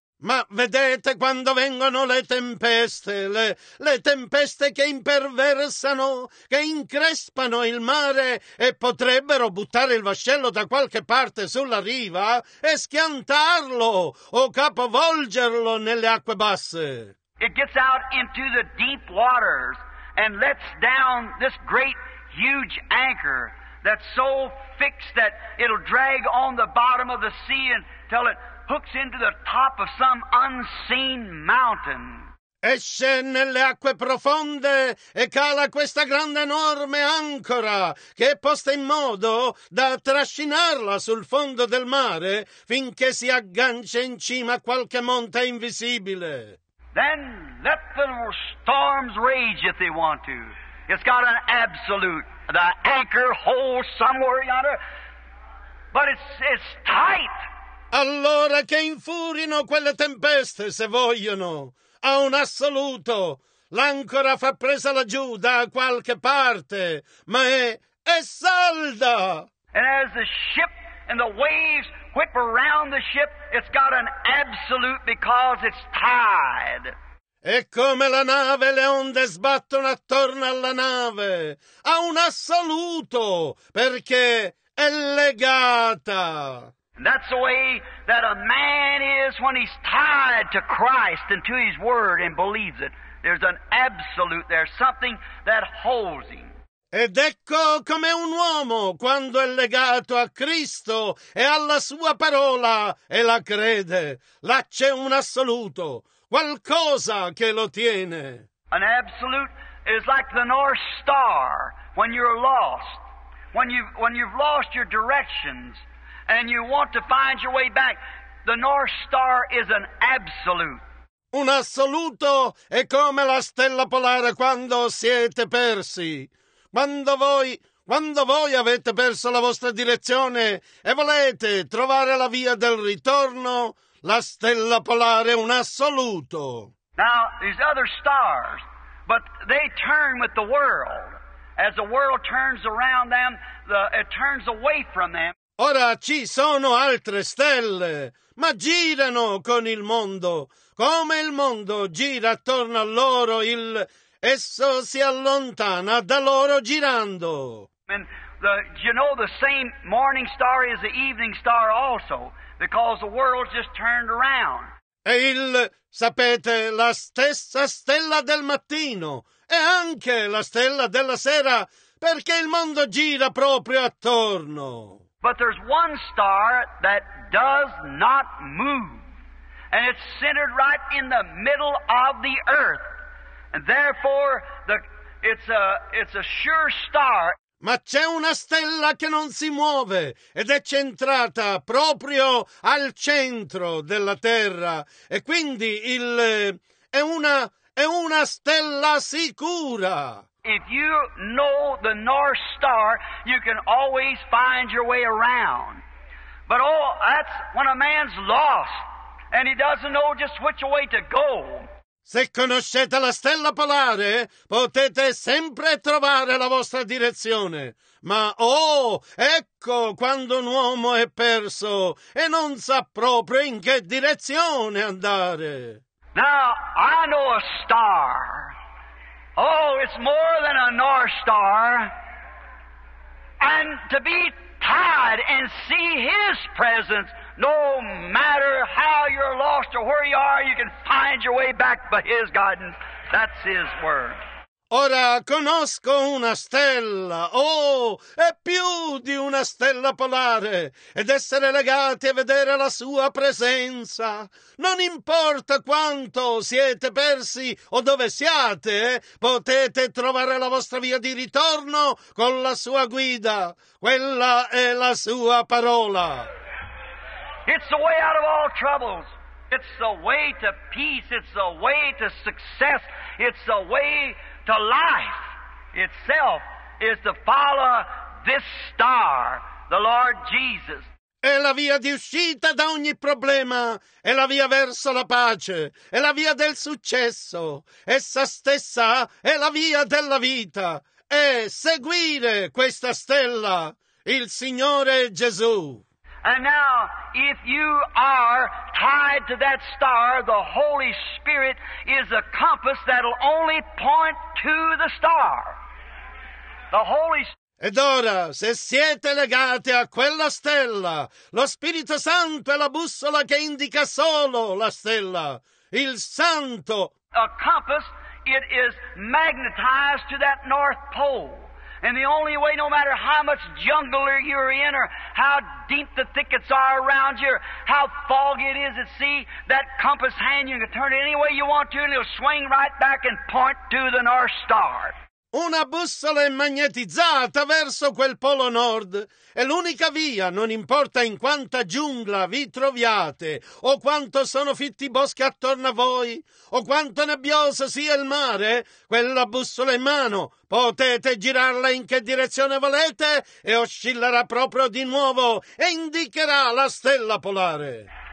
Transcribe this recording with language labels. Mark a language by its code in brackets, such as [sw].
[it] Ma vedete quando vengono le tempeste, le tempeste che imperversano, che increspano il mare e potrebbero buttare il vascello da qualche parte sulla riva e schiantarlo o capovolgerlo nelle acque basse. [en] It gets out into the deep waters and lets down this great huge anchor that's so fixed that it'll drag on the bottom of the sea until it hooks into the top of some unseen mountain. [it] Esce nelle acque profonde e cala questa grande enorme ancora che è posta in modo da trascinarla sul fondo del mare finché si aggancia in cima a qualche monte invisibile. [en] Then let the storms rage if they want to. It's got an absolute, the anchor holds somewhere yonder, but it's tight. [it] Allora che infurino quelle tempeste se vogliono, a un assoluto, l'ancora fa presa laggiù da qualche parte, ma è salda. [en] And as the ship and the waves whip around the ship, it's got an absolute because it's tied. [it] E come la nave, le onde sbattono attorno alla nave, a un assoluto, perché è legata. [en] That's the way that a man is when he's tied to Christ and to His Word and believes it. There's an absolute, there's something that holds him. [it] Ed ecco come un uomo quando è legato a Cristo e alla sua parola e la crede. Là c'è un assoluto, qualcosa che lo tiene. [en] An absolute is like the North Star when you're lost, when you've lost your directions. And you want to find your way back. The North Star is an absolute. [it] Un assoluto è come la stella polare quando siete persi. Quando voi avete perso la vostra direzione e volete trovare la via del ritorno, la stella polare è un assoluto. [en] Now, these other stars, but they turn with the world. As As the world turns around them, it turns away from them. [it] Ora ci sono altre stelle, ma girano con il mondo. Come il mondo gira attorno a loro, esso si allontana da loro girando. [en] And the same morning star is the evening star also, because the world just turned around. [it] E sapete, la stessa stella del mattino è anche la stella della sera, perché il mondo gira proprio attorno. [en] But there's one star that does not move, and it's centered right in the middle of the earth, and therefore it's a sure star. [it] Ma c'è una stella che non si muove ed è centrata proprio al centro della terra, e quindi è una stella sicura. [en] If you know the North Star, you can always find your way around. But oh, that's when a man's lost and he doesn't know just which way to go. [it] Se conoscete la stella polare, potete sempre trovare la vostra direzione. Ma oh, ecco quando un uomo è perso e non sa proprio in che direzione andare. [en] Now, I know a star. Oh, it's more than a North Star. And to be tied and see his presence, no matter how you're lost or where you are, you can find your way back by his guidance. That's his word. [it] Ora conosco una stella. Oh, è più di una stella polare. Ed essere legati a vedere la sua presenza. Non importa quanto siete persi o dove siate, potete trovare la vostra via di ritorno con la sua guida. Quella è la sua parola. [en] It's the way out of all troubles. It's the way to peace. It's the way to success. It's the way to life itself is to follow this star, the Lord Jesus. [it] È la via di uscita da ogni problema. È la via verso la pace. È la via del successo. Essa stessa è la via della vita. È seguire questa stella, il Signore Gesù. [en] And now, if you are tied to that star, the Holy Spirit is a compass that'll only point to the star. [it] Ed ora, se siete legati a quella stella, lo Spirito Santo è la bussola che indica solo la stella, il Santo. [en] A compass, it is magnetized to that North Pole. And the only way, no matter how much jungle you're in, or how deep the thickets are around you, or how foggy it is at sea, that compass hand, you can turn it any way you want to, and it'll swing right back and point to the North Star. [it] Una bussola è magnetizzata verso quel polo nord. È l'unica via, non importa in quanta giungla vi troviate, o quanto sono fitti i boschi attorno a voi, o quanto nebbioso sia il mare, quella bussola in mano, potete girarla in che direzione volete e oscillerà proprio di nuovo e indicherà la stella polare.